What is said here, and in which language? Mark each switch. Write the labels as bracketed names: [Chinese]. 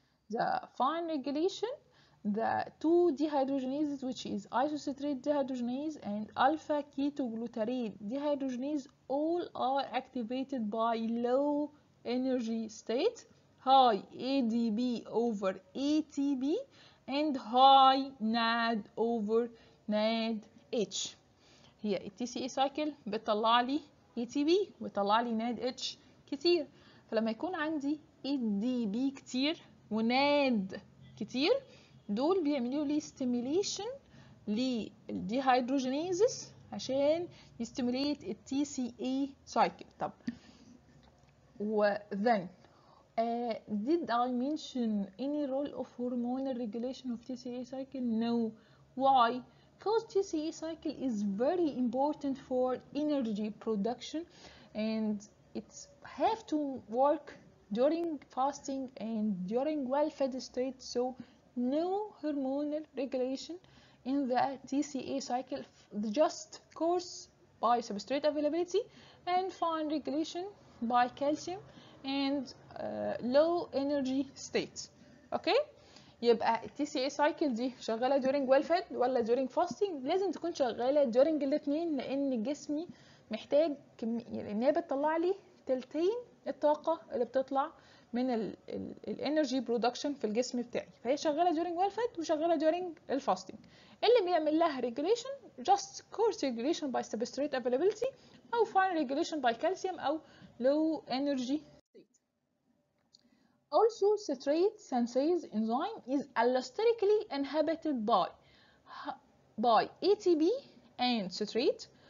[English] The fine regulation, the two dehydrogenases, which is isocitrate dehydrogenase and alpha ketoglutarate dehydrogenase, all are activated by low energy state, high ADP over ATP, and high NAD over NADH. [Arabic] هي TCA cycle بيطلع لي ATP وبيطلع لي NADH كتير. فلما يكون عندي ADP كتير وناد كتير، دول بيعملوا لي stimulation للديهايدروجينيزس عشان يستيموليت TCA cycle. طب [English] وthen did I mention any role of hormonal regulation of TCA cycle? No. Why? Because TCA cycle is very important for energy production and it have to work during fasting and during well-fed state. So no hormonal regulation in the TCA cycle, just coarse by substrate availability and fine regulation by calcium and low energy state. [Arabic] Okay؟ يبقى TCA cycle دي شغالة [English] during well fed [Arabic] ولا [English] during fasting؟ [Arabic] لازم تكون شغالة during الاثنين لأن جسمي محتاج ان هي بتطلع لي تلتين الطاقه اللي بتطلع من الانرجي برودكشن في الجسم بتاعي. فهي شغاله during well fed وشغاله during الفاستنج. اللي بيعمل لها regulation [English] just coarse regulation by substrate availability [Arabic] او [English] fine regulation by calcium [Arabic] او [English] low energy. Also citrate sensing enzyme is allosterically inhibited by ATP and citrate.